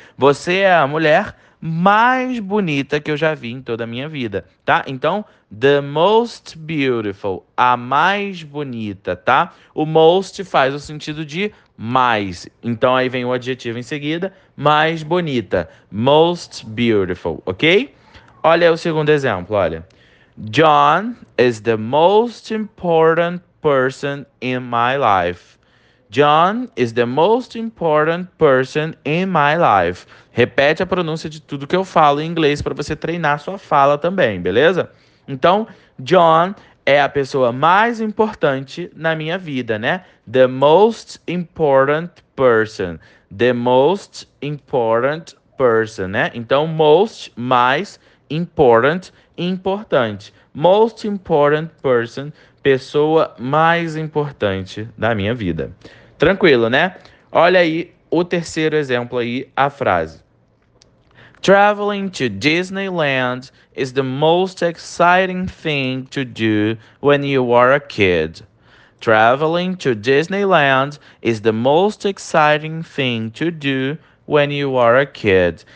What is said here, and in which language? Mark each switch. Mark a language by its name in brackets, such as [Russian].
[Portuguese] Você é a mulher mais bonita que eu já vi em toda a minha vida, tá? Então, the most beautiful, a mais bonita, tá? O most faz o sentido de mais. Então, aí vem o adjetivo em seguida, mais bonita. Most beautiful, ok? Olha o segundo exemplo, olha. [English] John is the most important person in my life. John is the most important person in my life. [Portuguese] Repete a pronúncia de tudo que eu falo em inglês para você treinar sua fala também, beleza? Então, John é a pessoa mais importante na minha vida, né? [English] The most important person. The most important person, né? [Portuguese] Então, most, mais, important, importante. Most important person, pessoa mais importante da minha vida. Tranquilo, né? Olha aí o terceiro exemplo aí, a frase. [English] Traveling to Disneyland is the most exciting thing to do when you are a kid. Traveling to Disneyland is the most exciting thing to do when you are a kid.